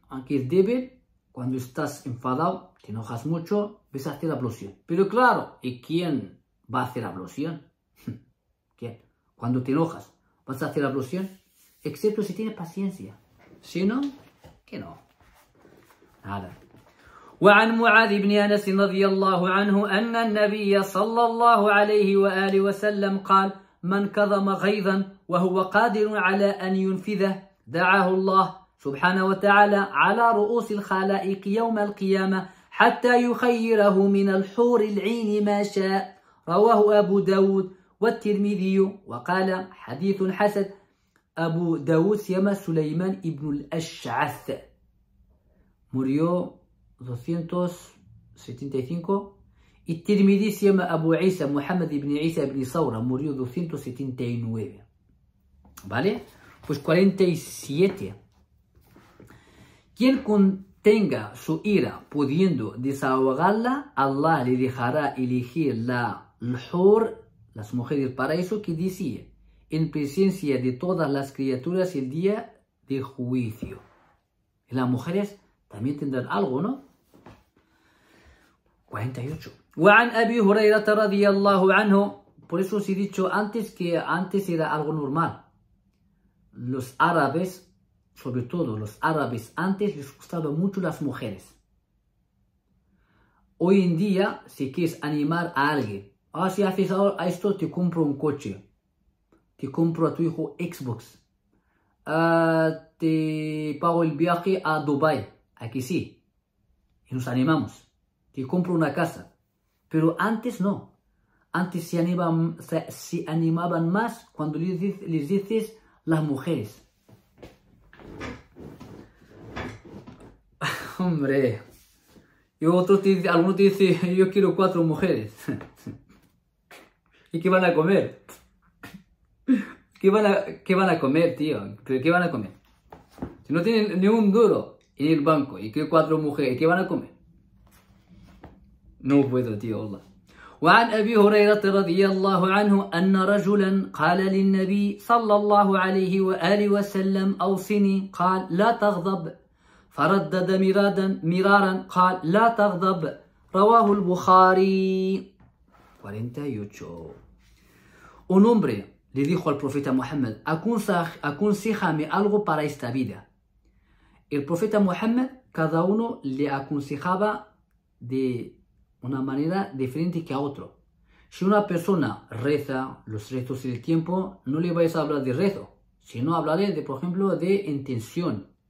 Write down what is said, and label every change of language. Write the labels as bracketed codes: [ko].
[es] Aunque es débil, cuando estás enfadado, te enojas mucho, ves a hacer ablución. Pero claro, ¿y quién va a hacer ablución? ¿Quién? Cuando te enojas, ¿vas a hacer ablución? Excepto si tienes paciencia. Si no, ¿qué no? Nada. [ar] وعن معاذ بن أنس رضي الله عنه أن النبي صلى الله عليه وآله وسلم قال من كظم غيظا وهو قادر على أن ينفذه دعاه الله سبحانه وتعالى على رؤوس الخلائق يوم القيامة حتى يخيره من الحور العين ما شاء رواه أبو داود والترمذي وقال حديث حسن أبو داود سيما سليمان ابن الأشعث [es] murió 275 [ar] الترمذي سيما أبو عيسى محمد بن عيسى بن ثورة [es] murió 279 vale pues 47. Quien contenga su ira pudiendo desahogarla, Allah le dejará elegir la mejor, las mujeres para eso que decía, en presencia de todas las criaturas el día de juicio. Y las mujeres también tendrán algo, ¿no? 48. [ar] وعن أبي هريرة رضي الله عنه. [es] Por eso os he dicho antes que antes era algo normal. Los árabes, sobre todo los árabes, antes les gustaban mucho las mujeres. Hoy en día, si quieres animar a alguien, ah, si haces ahora a esto, te compro un coche, te compro a tu hijo Xbox, te pago el viaje a Dubai, aquí sí, y nos animamos, te compro una casa. Pero antes no, antes se animaban más cuando les dices las mujeres. Hombre, y otro alguno te dice, yo quiero cuatro mujeres. ¿Y qué van a comer? ¿Qué van a comer, tío? ¿Qué van a comer? Si no tienen ni un duro en el banco y quiero cuatro mujeres, ¿qué van a comer? No puedo, tío, Allah. [ar] وعن أبي هريرة رضي الله عنه أن رجلا قال للنبي صلى الله عليه وآله وسلم أوصني قال لا تغضب فردد مرارا قال لا تغضب رواه البخاري 48. [es] Un hombre le dijo al profeta Muhammad aconsejame algo para esta vida. El profeta Muhammad cada uno le aconsejaba de una manera diferente que a otro. Si una persona reza los rezos del tiempo, no le vais a hablar de rezo, sino hablaré de, por ejemplo, de intención.